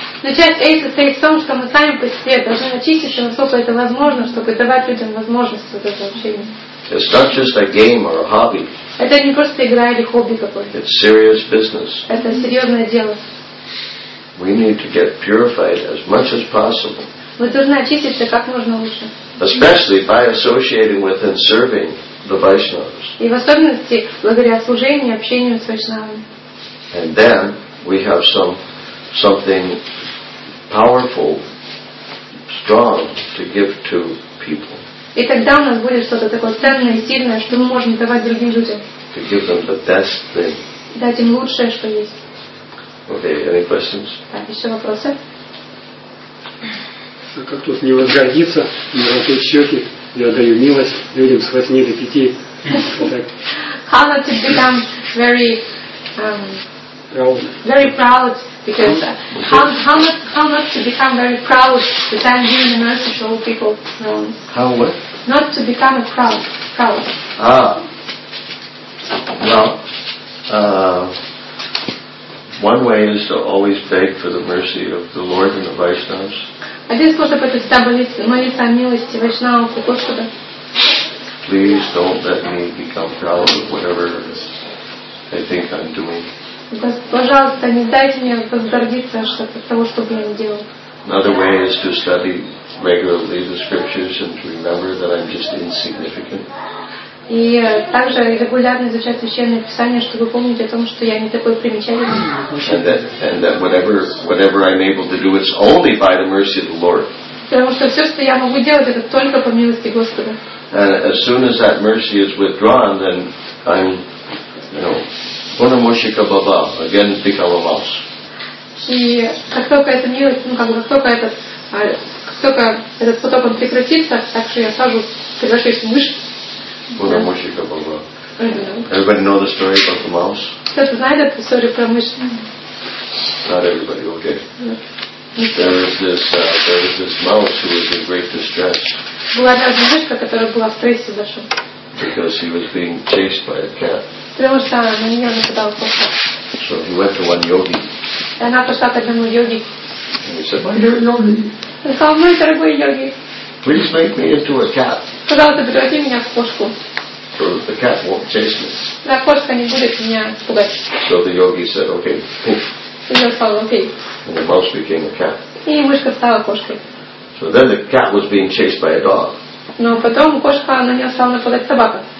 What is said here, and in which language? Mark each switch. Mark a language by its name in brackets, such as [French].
[Russian] Но часть A состоит в том, что мы сами по себе должны очиститься, насколько это возможно, чтобы давать людям возможность вот это общение. [English] It's not just a game or a hobby. [Russian] Это не просто игра или хобби какое-то. [English] It's serious business. [Russian] Это серьезное дело. [English] We need to get purified as much as possible. [Russian] Вы должны очиститься как можно лучше. [English] Especially by associating with and serving the Vaishnavas. [Russian] И в особенности благодаря служению, общению с Вайшнавами. [English] And then we have something powerful, strong to give to people. [Russian] И тогда у нас будет что-то такое ценное, сильное, что мы можем давать другим людям. [English] To give them the best thing. [Russian] Дать им лучшее, что есть. [English] Okay, any questions? [Russian] Так, еще вопросы? Как тут не возгордиться, не ротить щеки, я даю милость людям с 8 до 5. [English] How not to become very very proud, because how not to become very proud that I'm giving the mercy to all people. How what? Not to become proud. Ah. Well, one way is to always beg for the mercy of the Lord and the Vaishnavas. [Russian] Один способ – это всегда молиться о милости Вайшнава, у Господа. [English] Please don't let me become proud of whatever I think I'm doing. [Russian] Пожалуйста, не дайте мне возгордиться от того, что я делаю. [English] Another way is to study regularly the scriptures and to remember that I'm just insignificant. [Russian] И также регулярно изучать священные писания, чтобы помнить о том, что я не такой примечательный. [English] And that whatever I'm able to do, it's only by the mercy of the Lord. [Russian] Потому что все, что я могу делать, это только по милости Господа. [English] And as soon as that mercy is withdrawn, then I'm, Punamushika Baba, again become a mouse. [Russian] И как только эта милость, как только этот поток он прекратится, так что я сразу превращаюсь в мышь. [English] Punamushika Baba. Everybody know the story about the mouse? [Russian] Кто-то знает эту историю про мышь? [English] Not everybody, okay. There was this mouse who was in great distress. [Russian] Была даже мышка, которая была в стрессе зашла. [English] Because he was being chased by a cat. [Russian] Потому что на нее нападал кошка. [English] So he went to one yogi. [Russian] И она пошла к одному йоги. [English] And he said, my dear yogi. [Russian] Он сказал, мой дорогой йоги. [English] Please make me into a cat. [Russian] Пожалуйста, превратите меня в кошку. [English] So the cat won't chase me. [Russian] Да, кошка не будет меня пугать. [English] So the yogi said, okay, poof. [Russian] И он сказал, okay. [English] And the mouse became a cat. [Russian] И мышка стала кошкой. [English] So then the cat was being chased by a dog. [Russian] Но потом кошка на нее стала нападать собака.